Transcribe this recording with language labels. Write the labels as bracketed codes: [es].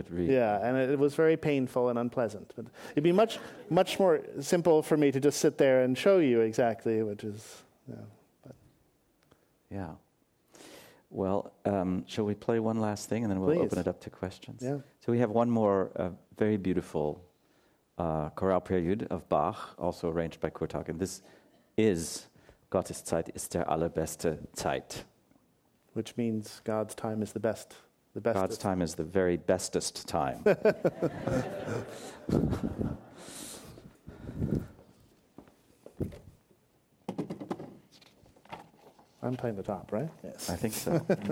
[en] Yeah, and it was very painful and unpleasant. But it'd be much, much more simple for me to just sit there and show you exactly, which is, you know. Yeah. Well, shall we play one last thing and then we'll open it up to questions? Yeah. So we have one more very beautiful chorale prelude of Bach, also arranged by Kurtag. And this is [de] Gottes Zeit ist der allerbeste Zeit. [en] Which means God's time is the best. The bestest. God's time is the very bestest time. I'm playing the top, right? Yes. I think so.